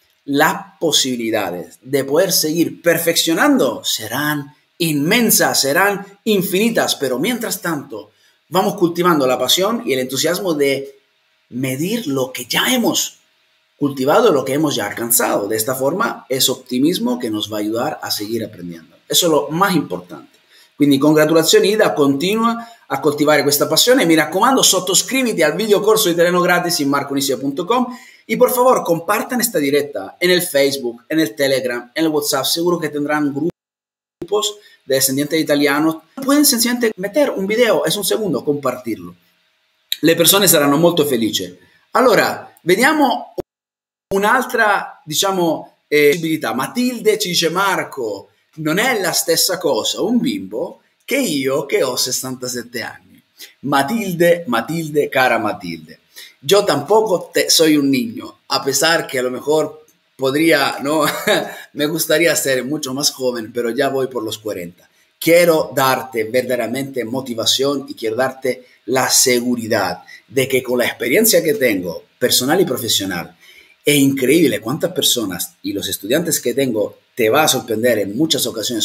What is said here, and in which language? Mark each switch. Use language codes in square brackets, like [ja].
[es] Las posibilidades de poder seguir perfeccionando serán inmensas, serán infinitas, pero mientras tanto vamos cultivando la pasión y el entusiasmo de medir lo que ya hemos cultivado, lo que hemos ya alcanzado. De esta forma es optimismo que nos va a ayudar a seguir aprendiendo. Eso es lo más importante. [it] Quindi congratulazioni Ida, continua a coltivare questa passione. Mi raccomando, sottoscriviti al video corso italiano gratis in [es] marconisio.com y por favor compartan esta directa en el Facebook, en el Telegram, en el WhatsApp. Seguro que tendrán grupos de descendientes de italianos. Pueden sencillamente meter un video, es un segundo, compartirlo. [it] Le persone saranno molto felici. Allora, vediamo un'altra, diciamo, possibilità. Matilde ci dice: Marco, non è la stessa cosa un bimbo che io che ho 67 anni. Matilde, cara Matilde. [es] Yo tampoco soy un niño, a pesar que a lo mejor podría, ¿no? Me gustaría ser mucho más joven, pero ya voy por los 40. Quiero darte verdaderamente motivación y quiero darte la seguridad de que con la experiencia que tengo, personal y profesional, es increíble cuántas personas y los estudiantes que tengo te va a sorprender en muchas ocasiones.